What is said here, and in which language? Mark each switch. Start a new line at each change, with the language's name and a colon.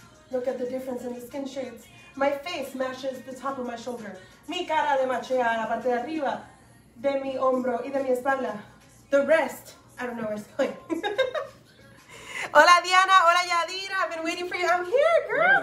English: Look at the difference in the skin shades. My face matches the top of my shoulder.
Spanish: Mi cara de machea la parte de arriba de mi hombro y de mi espalda.
English: The rest, I don't know where it's going. Hola Diana, hola Yadira. I've been waiting for you. I'm here, girl.